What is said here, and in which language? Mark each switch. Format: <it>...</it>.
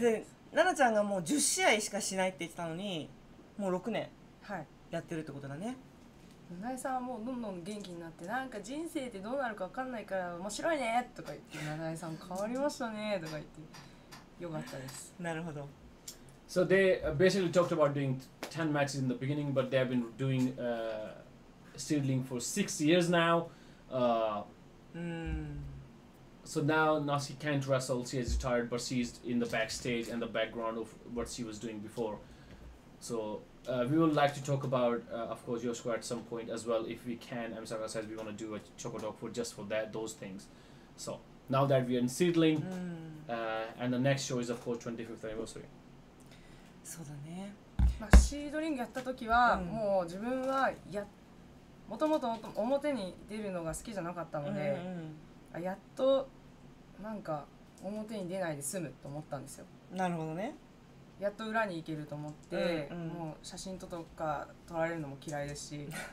<ja>で奈々ちゃんがもう10試合しかしないって言ってたのにもう6年やってるってことだね。はい、奈良さんはもうどんどん元気になって、なんか人生ってどうなるか分かんないから面白いねとか言って、奈良さん変わりましたねとか言って、よかったです。なるほど。</ja> <en>So they basically talked about doing 10 matches in the beginning, but they have been doing seedling for 6 years now. So now Nasi can't wrestle, she has retired, but she's in the backstage and the background of what she was doing before. SoWe would like to talk about, of course, Yoshiko at some point as well, if we can. Amisaka says we want to do a Choco Talk for just for that, those things. So, now that we are in Seedling, and the next show is, of course, 25th anniversary.</en> <ja>そうだね。まあ、シードリングやった時は、もう自分は、もともと表に出るのが好きじゃなかったので、やっと、なんか、表に出ないで済むと思ったんですよ。なるほどね。やっと裏に行けると思って、もう写真とか撮られるのも嫌いですし</ja>